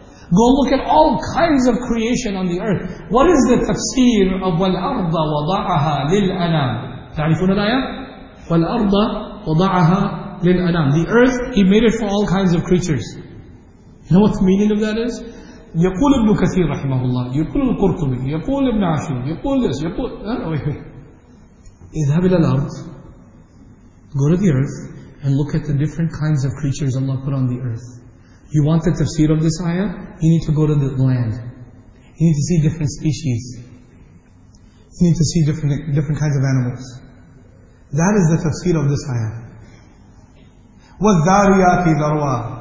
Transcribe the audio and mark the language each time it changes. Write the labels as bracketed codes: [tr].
[en] Go look at all kinds of creation on the earth. What is the tafsir of [ar] وَالْأَرْضَ وَضَعَهَا لِلْأَنَامِ. تعرفون الآية؟ وَالْأَرْضَ وَضَعَهَا لِلْأَنَامِ. [en] The earth, He made it for all kinds of creatures. You know what the meaning of that is? [ar] يقول ابن كثير رحمه الله يقول القرطبي يقول ابن عاشور يقول [en] this [ar] يقول اذهب إلى الأرض. [en] Go to the earth and look at the different kinds of creatures Allah put on the earth. You want the tafsir of this ayah? You need to go to the land. You need to see different species. You need to see different kinds of animals. That is the tafsir of this ayah. [ar] وَالذَّارِيَاتِ ذَرْوَى.